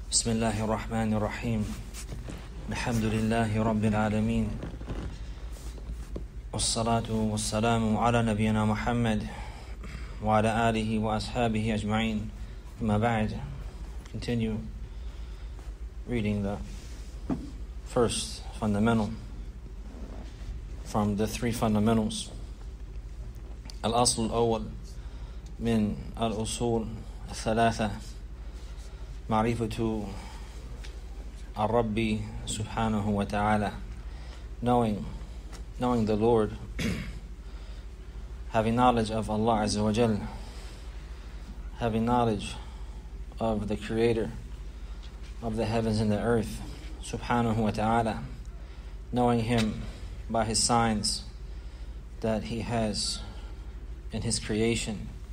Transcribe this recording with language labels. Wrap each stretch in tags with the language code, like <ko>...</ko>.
<ar>بسم الله الرحمن الرحيم الحمد لله رب العالمين والصلاة والسلام على نبينا محمد وعلى آله وأصحابه أجمعين ما بعد.</ar> <en>Continue reading the first fundamental from the three fundamentals.</en> <ar>الأصل الأول من الأصول الثلاثة معرفة الرب سبحانه وتعالى.</ar> <en>Knowing the Lord, having knowledge of Allah Azza wa Jal, having knowledge of the Creator of the heavens and the earth,</en> <ar>سبحانه وتعالى,</ar> <en>knowing Him by His signs that He has in His creation,</en>